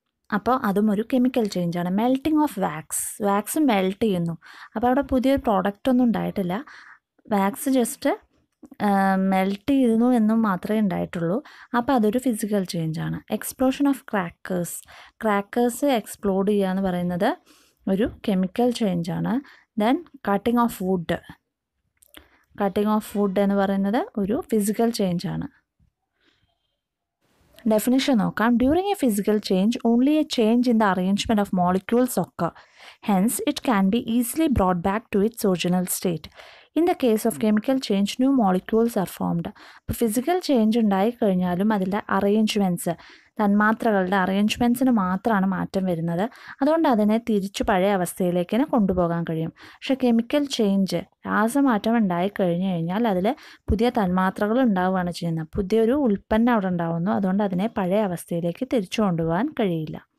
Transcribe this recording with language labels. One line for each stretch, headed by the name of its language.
Malayalam: അപ്പോൾ അതും ഒരു കെമിക്കൽ ചേഞ്ച് ആണ് melting of wax wax melt ചെയ്യുന്നു അപ്പോൾ അവിടെ പുതിയൊരു പ്രോഡക്റ്റ് ഒന്നും ഉണ്ടായിട്ടില്ല വാക്സ് ജസ്റ്റ് മെൽട്ട് ചെയ്യുന്നു എന്നും മാത്രമേ ഉണ്ടായിട്ടുള്ളൂ അപ്പോൾ അതൊരു ഫിസിക്കൽ ചേഞ്ച് ആണ് explosion of crackers crackers explode ചെയ്യുക എന്ന് പറയുന്നത് ഒരു കെമിക്കൽ ചേഞ്ച് ആണ് ദെൻ കട്ടിംഗ് ഓഫ് വുഡ് എന്ന് പറയുന്നത് ഒരു ഫിസിക്കൽ ചേഞ്ച് ആണ് Definition okay.
English: During a physical change, only a change in the arrangement of molecules occur. Hence, it can be easily brought back to its original state. In the case of chemical change, new molecules are formed.
Malayalam: Physical change undayi kaniyalum adile arrangements. തന്മാത്രകളുടെ അറേഞ്ച്മെൻറ്റ്സിന് മാത്രമാണ് മാറ്റം വരുന്നത് അതുകൊണ്ട് അതിനെ തിരിച്ചു പഴയ അവസ്ഥയിലേക്ക് തന്നെ കൊണ്ടുപോകാൻ കഴിയും പക്ഷേ കെമിക്കൽ ചേഞ്ച് രാസമാറ്റം ഉണ്ടായിക്കഴിഞ്ഞു കഴിഞ്ഞാൽ അതിൽ പുതിയ തന്മാത്രകൾ ഉണ്ടാവുകയാണ് ചെയ്യുന്നത് പുതിയൊരു ഉൽപ്പന്നം അവിടെ ഉണ്ടാവുന്നു അതുകൊണ്ട് അതിനെ പഴയ അവസ്ഥയിലേക്ക് തിരിച്ചു കൊണ്ടുപോകാൻ കഴിയില്ല